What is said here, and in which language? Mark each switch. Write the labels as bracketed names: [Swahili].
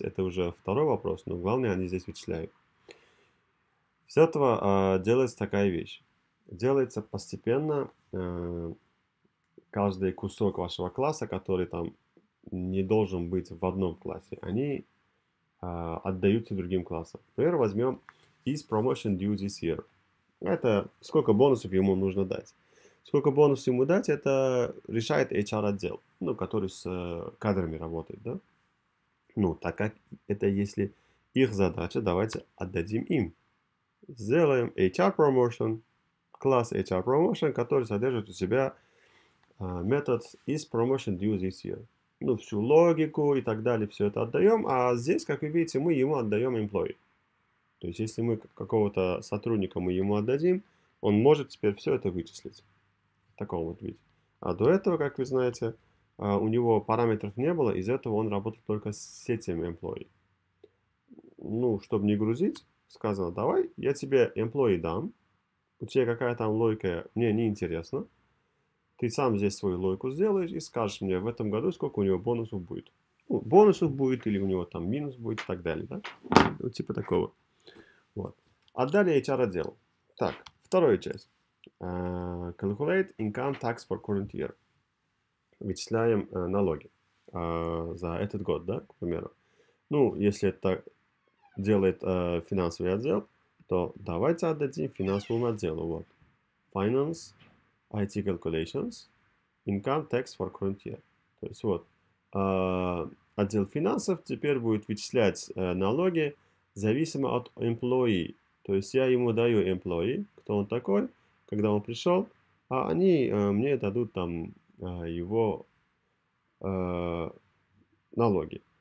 [Russian] Это уже второй вопрос, но главное, они здесь вычисляют. С этого делается такая вещь. Делается постепенно каждый кусок вашего класса, который там не должен быть в одном классе. Они отдаются другим классам. Например, возьмем is promotion due this year. Это сколько бонусов ему нужно дать. Сколько бонусов ему дать, это решает HR-отдел, ну, который с кадрами работает. Да? Ну, так как это если их задача, давайте отдадим им. Сделаем HR Promotion, класс HR Promotion, который содержит у себя метод is promotion due this year. Ну, всю логику и так далее, все это отдаем. А здесь, как вы видите, мы ему отдаем employee. То есть, если мы какого-то сотрудника мы ему отдадим, он может теперь все это вычислить. В таком вот виде. А до этого, как вы знаете, у него параметров не было, из этого он работал только с этим employee. Ну, чтобы не грузить, сказал, давай, я тебе employee дам, у тебя какая там логика, мне неинтересно. Ты сам здесь свою логику сделаешь и скажешь мне в этом году, сколько у него бонусов будет. Ну, бонусов будет или у него там минус будет и так далее, да? Ну, типа такого. Вот. Отдали HR-отдел. Так, вторая часть. [English] Calculate income tax for current year. [Russian] Вычисляем налоги за этот год, да, к примеру. Ну, если это делает финансовый отдел, то давайте отдадим финансовому отделу. Вот. [English] Finance, IT calculations, income tax for current year. [Russian] То есть вот, отдел финансов теперь будет вычислять налоги зависимо от employee. То есть я ему даю employee, кто он такой, когда он пришел, а они мне дадут там его налоги.